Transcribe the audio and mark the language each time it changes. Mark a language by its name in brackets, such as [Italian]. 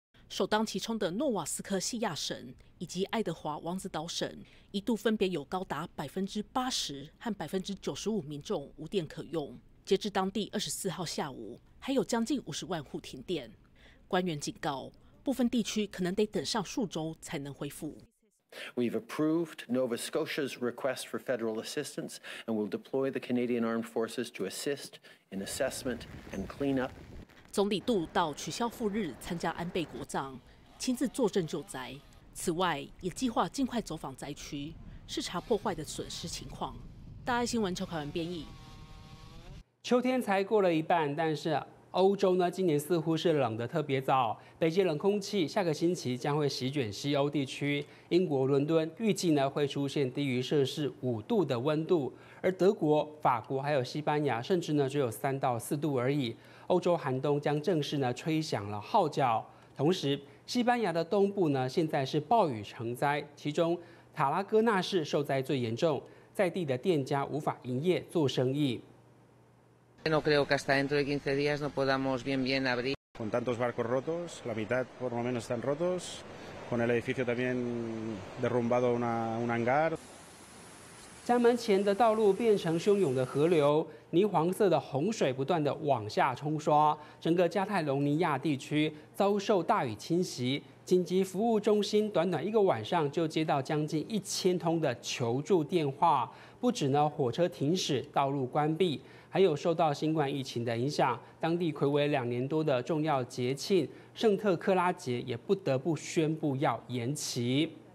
[Chinese] 首当其冲的诺瓦斯科西亚省以及爱德华王子岛省，一度分别有高达80%和95%民众无电可用。截至当地24号下午，还有将近500,000户停电。官员警告，部分地区可能得等上数周才能恢复。 [English] We've approved Nova Scotia's request for federal assistance and will deploy the Canadian Armed Forces to assist in assessment and cleanup. [Chinese] 总理杜鲁道取消赴日参加安倍国葬，亲自坐镇救灾。此外，也计划尽快走访灾区，视察破坏的损失情况。大爱新闻邱凯文编译。秋天才过了一半，但是欧洲呢，今年似乎是冷得特别早。北极冷空气下个星期将会席卷西欧地区，英国伦敦预计呢会出现低于摄氏5度的温度，而德国、法国还有西班牙甚至呢只有3到4度而已。欧洲寒冬将正式呢吹响了号角。同时，西班牙的东部呢现在是暴雨成灾，其中塔拉戈纳市受灾最严重，在地的店家无法营业做生意。 [Spanish] No creo que hasta dentro de 15 días no podamos bien abrir. Con tantos barcos rotos, la mitad por lo menos están rotos, con el edificio también derrumbado un hangar. [Chinese] 家门前的道路变成汹涌的河流，泥黄色的洪水不断的往下冲刷，整个加泰隆尼亚地区遭受大雨侵袭。紧急服务中心短短一个晚上就接到将近1000通的求助电话，不止呢火车停驶、道路关闭，还有受到新冠疫情的影响，当地魁违2年多的重要节庆圣特克拉节也不得不宣布要延期。